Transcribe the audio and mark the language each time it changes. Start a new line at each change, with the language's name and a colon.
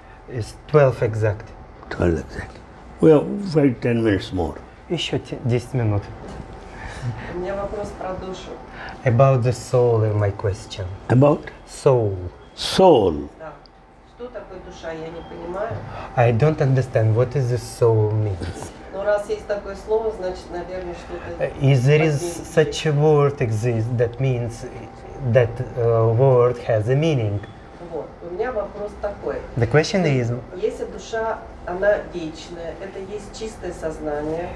English: It's 12 exact. 12 exact. We have 5-10 minutes more.
Russian: Еще 10 минут. У меня вопрос про душу.
English: About the soul is my question. About? Soul. Soul.
Russian: Да. Что такое душа, я не понимаю.
English: I don't understand what is the soul means.
Russian: Ну, раз есть такое слово, значит, наверное, что-то...
English: Is there is such a word exist that means that word has a meaning?
Russian: Вот. У меня вопрос такой.
English: The question is...
Russian: Если душа... Она вечная, это есть чистое сознание.